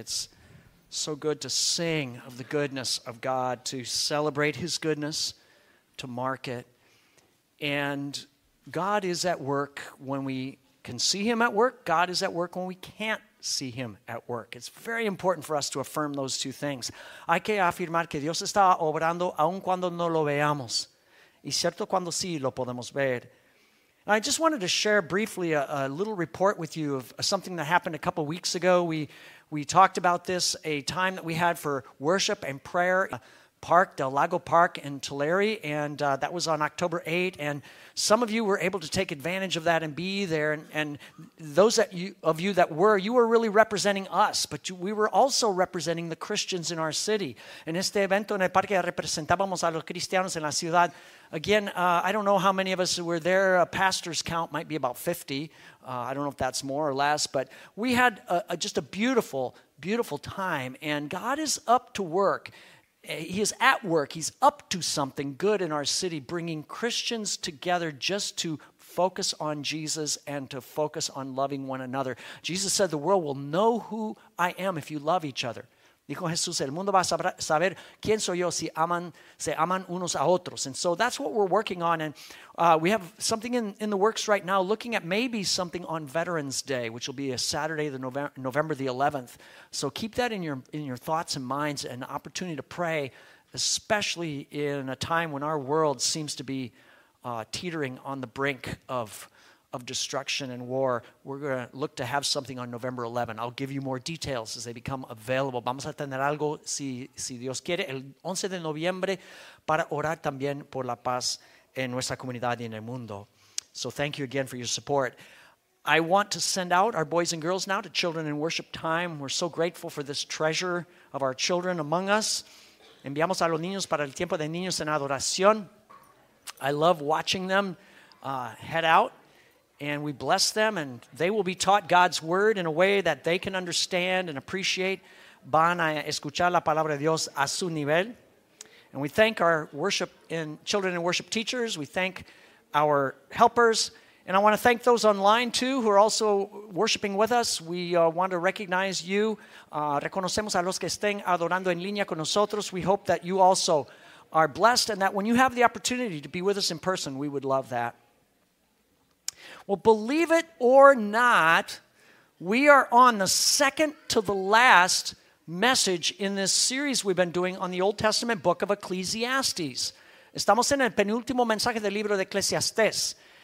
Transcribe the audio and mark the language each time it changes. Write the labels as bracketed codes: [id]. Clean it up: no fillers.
[en] It's so good to sing of the goodness of God, to celebrate his goodness, to mark it. And God is at work when we can see him at work. God is at work when we can't see him at work. It's very important for us to affirm those two things. [es] Hay que afirmar que Dios está obrando aun cuando no lo veamos. Y cierto cuando sí lo podemos ver. [en] I just wanted to share briefly a little report with you of something that happened a couple of weeks ago. We talked about this, a time that we had for worship and prayer in a park, Del Lago Park in Tulare, and that was on October 8th, and some of you were able to take advantage of that and be there, and those that you were really representing us, but we were also representing the Christians in our city. [es] En este evento en el parque representábamos a los cristianos en la ciudad. [en] Again, I don't know how many of us were there. A pastor's count might be about 50. I don't know if that's more or less, but we had just a beautiful, beautiful time, and God is up to work. He is at work. He's up to something good in our city, bringing Christians together just to focus on Jesus and to focus on loving one another. Jesus said, "The world will know who I am if you love each other." [es] Dijo Jesús, el mundo va a saber quién soy yo si se aman unos a otros. [en] And so that's what we're working on. And we have something in the works right now, looking at maybe something on Veterans Day, which will be a Saturday, November the 11th. So keep that in your thoughts and minds, an opportunity to pray, especially in a time when our world seems to be teetering on the brink of destruction and war. We're going to look to have something on November 11. I'll give you more details as they become available. [es] Vamos a tener algo, si Dios quiere, el 11 de noviembre para orar también por la paz en nuestra comunidad y en el mundo. [en] So thank you again for your support. I want to send out our boys and girls now to children in worship time. We're so grateful for this treasure of our children among us. [es] Enviamos a los niños para el tiempo de niños en adoración. [en] I love watching them head out. And we bless them, and they will be taught God's word in a way that they can understand and appreciate. [es] Van a escuchar la palabra de Dios a su nivel. [en] And we thank our worship and children and worship teachers. We thank our helpers. And I want to thank those online, too, who are also worshiping with us. We want to recognize you. [es] Reconocemos a los que estén adorando en línea con nosotros. [en] We hope that you also are blessed and that when you have the opportunity to be with us in person, we would love that. Well, believe it or not, we are on the second to the last message in this series we've been doing on the Old Testament book of Ecclesiastes. [es] Estamos en el penúltimo mensaje del libro de Ecclesiastes.